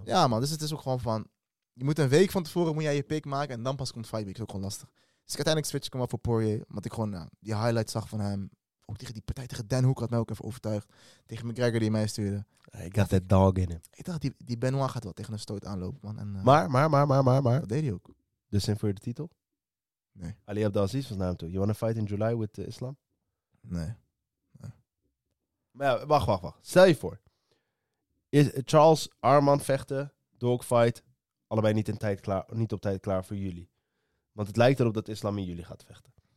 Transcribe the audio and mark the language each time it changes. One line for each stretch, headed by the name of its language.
Dutch: Ja, man. Dus het is ook gewoon van... Je moet een week van tevoren moet jij je pick maken. En dan pas komt fight week. Dat is ook gewoon lastig. Dus ik uiteindelijk switch ik hem af voor Poirier. Omdat ik gewoon die highlight zag van hem. Ook tegen die partij, tegen Dan Hooker had mij ook even overtuigd. Tegen McGregor die mij stuurde.
English: I got that dog in him.
Dutch: Ik dacht, die Benoit gaat wel tegen een stoot aanlopen, man. En, maar. Dat deed hij ook. Dus in voor de titel? Nee. Ali Abdelaziz was naar hem toe.
English: You want to fight in July with Islam?
Dutch: Nee. Maar ja, wacht. Stel je voor. Is Charles Armand vechten, dogfight, allebei niet op tijd klaar voor jullie. Want het lijkt erop dat Islam in jullie gaat vechten.